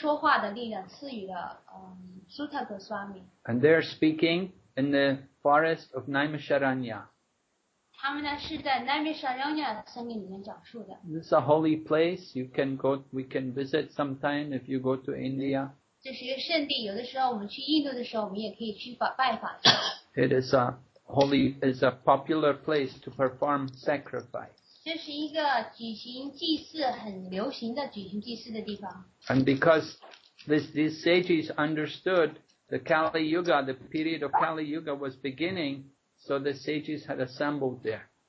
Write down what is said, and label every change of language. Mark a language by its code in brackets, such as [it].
[zh] 但是呢,然后主巴拉让就把这个Romaharshan的,把他给去除,废除掉了,然后把这个说话的力量赐予了Sutta Goswami. [en] And they're speaking in the forest of Naimisharanya. [zh] 他们呢,是在Naimisharanya森林里面讲述的。 [en] This is a holy place, you can go, we can visit sometime if you go to India. [zh] 这是一个圣地,有的时候我们去印度的时候,我们也可以去拜访。 [en] It is a holy is a popular place to perform sacrifice. [zh] 这是一个举行祭祀,很流行的举行祭祀的地方。 [en] And because these sages understood the Kali Yuga, the period of Kali Yuga was beginning, so the sages had assembled there.